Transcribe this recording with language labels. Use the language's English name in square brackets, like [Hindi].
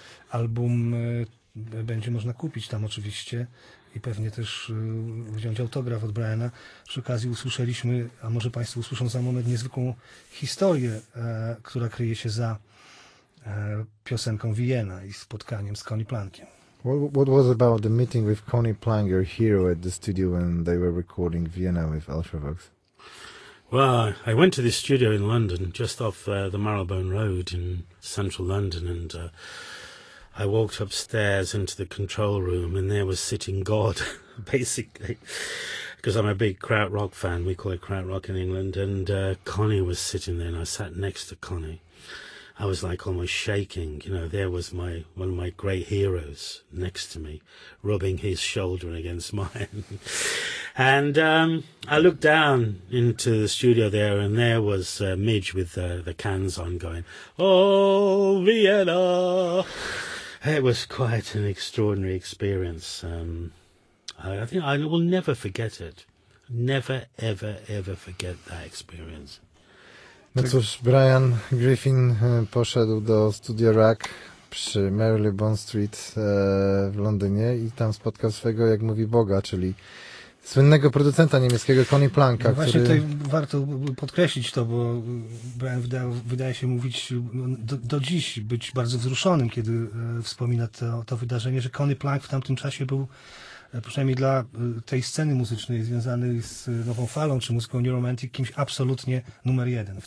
[Polish] Album będzie można kupić tam oczywiście i pewnie też wziąć autograf od Briana. Przy okazji usłyszeliśmy, a może Państwo usłyszą za moment, niezwykłą historię, która kryje się za piosenką Vienna i spotkaniem z Connie Plankiem. [English] What was about the meeting with Connie Plank, your hero, at the studio when they were recording Vienna with Ultravox? Well, I went to this studio in London, just off the Marylebone Road in central London, and I walked upstairs into the control room, and there was sitting God, basically, because I'm a big krautrock fan, we call it krautrock in England, and Connie was sitting there, and I sat next to Connie. I was like almost shaking, you know, there was my one of my great heroes next to me, rubbing his shoulder against mine. And I looked down into the studio there, and there was Midge with the cans on going, "Oh, Vienna!" It was quite an extraordinary experience. I think I will never forget it. Never, ever, ever forget that experience. [Polish] No cóż, Brian Griffin poszedł do studia Rack przy Marylebone Street w Londynie i tam spotkał swego, jak mówi, Boga, czyli słynnego producenta niemieckiego Connie Planka. No właśnie, tutaj warto podkreślić to, bo Brian wydaje się mówić do dziś, być bardzo wzruszonym, kiedy wspomina to wydarzenie, że Connie Plank w tamtym czasie był, przynajmniej dla tej sceny muzycznej związanej z Nową Falą czy muzyką New Romantic, kimś absolutnie numer jeden.